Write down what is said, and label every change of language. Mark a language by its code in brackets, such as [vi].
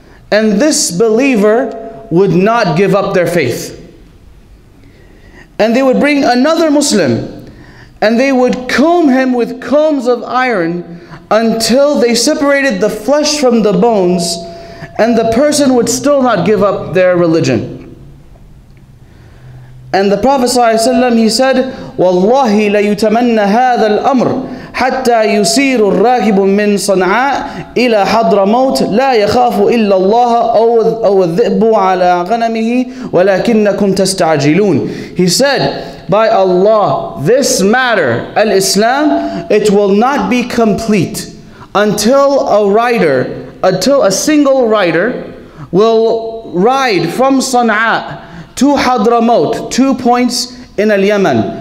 [en] And this believer would not give up their faith. And they would bring another Muslim and they would comb him with combs of iron until they separated the flesh from the bones, and the person would still not give up their religion. And the Prophet ﷺ, he said, [ar] وَاللَّهِ لَيُتَمَنَّ هَذَا الْأَمْرِ حَتَّى يُسِيرُ الرَّاكِبُ مِّنْ صَنْعَاءِ إِلَى حَضْرَ مَوْتِ لَا يَخَافُ إِلَّا اللَّهَ أَوَ الذِّئْبُ عَلَىٰ غَنَمِهِ وَلَكِنَّكُمْ تَسْتَعْجِلُونَ. [en] He said, by Allah, this matter, al-Islam, it will not be complete until a single rider will ride from Sana'a to Hadramaut, two points in al-Yemen.